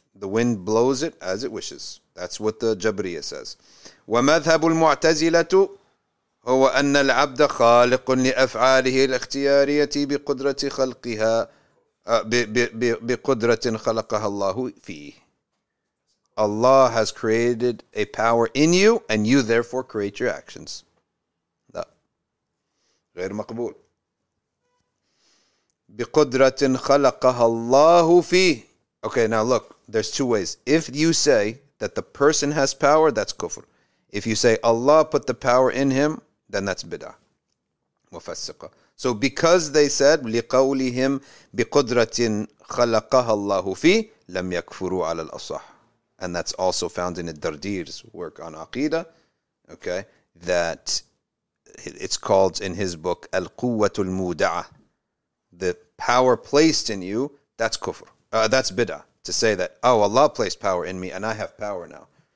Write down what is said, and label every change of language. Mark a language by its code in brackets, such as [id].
[en] The wind blows it as it wishes. That's what the Jabriya says. [ar] ومذهب المعتزلة هو أن العبد خالق لأفعاله الاختيارية بقدرة خلقها بقدرة خلقها الله فيه. [en] Allah has created a power in you and you therefore create your actions. [ar] غير مقبول بقدرة خلقها الله فيه. [en] Okay, now look, there's two ways. If you say that the person has power, that's kufr. If you say Allah put the power in him, then that's bid'ah. [ar] مفسقة. [en] So because they said [ar] لقولهم بقدرة خلقها الله فيه لم يكفروا على الأصح. [en] And that's also found in الدردير's work on Aqidah. Okay, that it's called in his book Al-Quwwatu Al-Muda'ah, the power placed in you, that's kufr, that's bid'ah, to say that, oh, Allah placed power in me and I have power now.